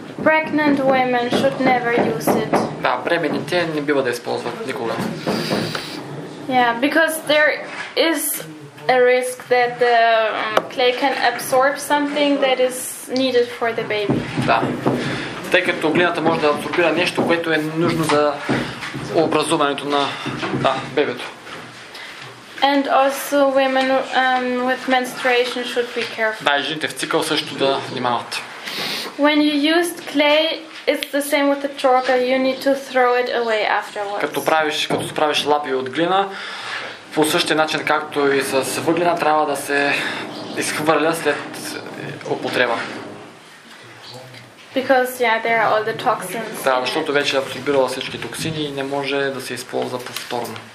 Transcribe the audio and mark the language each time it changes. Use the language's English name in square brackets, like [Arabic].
[English] Pregnant women should never use it. [Bulgarian] Да, бременните не бива да използват никога. [English] Yeah, because there is a risk that the clay can absorb something that is needed for the baby. [Bulgarian] Да. Тъй като глината може да абсорбира нещо, което е нужно за образуването на бебето. [English] And also women with menstruation should be careful. [Bulgarian] Да, жените в цикъл също да внимават. [English] When you used clay, it's the same with the troca. You need to throw it away afterwards. [Bulgarian] Като справиш лапи от глина, по същия начин както и с въглина, трябва да се изхвърля след употреба. [English] Because yeah, there are all the toxins. [Bulgarian] Да, защото вече е абсорбирала всички токсини и не може да се използва повторно.